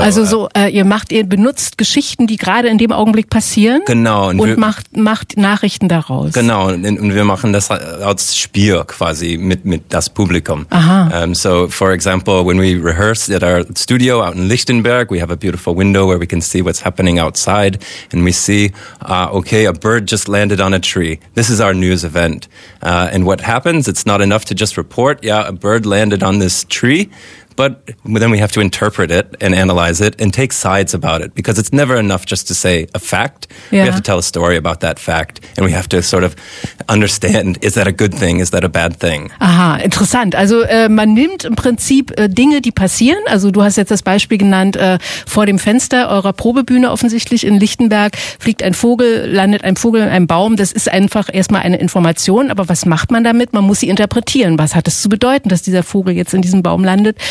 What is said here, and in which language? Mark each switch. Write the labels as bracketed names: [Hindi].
[German] also so, ihr benutzt Geschichten, die gerade in dem Augenblick passieren. Genau. Und macht Nachrichten daraus. Genau. Und wir machen das als Spiel quasi mit das Publikum. Aha. [English] Example, when we rehearse at our studio out in Lichtenberg, we have a beautiful window where we can see what's happening outside, and we see, a bird just landed on a tree. This is our news event. And what happens, it's not enough to just report, a bird landed on this tree, but then we have to interpret it and analyze it and take sides about it, because it's never enough just to say a fact. Yeah. We have to tell a story about that fact and we have to sort of understand, is that a good thing, is that a bad thing? [German] Aha, interessant. Also man nimmt im Prinzip Dinge, die passieren. Also du hast jetzt das Beispiel genannt, vor dem Fenster eurer Probebühne offensichtlich in Lichtenberg fliegt ein Vogel, landet ein Vogel in einem Baum. Das ist einfach erstmal eine Information, aber was macht man damit? Man muss sie interpretieren. Was hat es zu bedeuten, dass dieser Vogel jetzt in diesem Baum landet?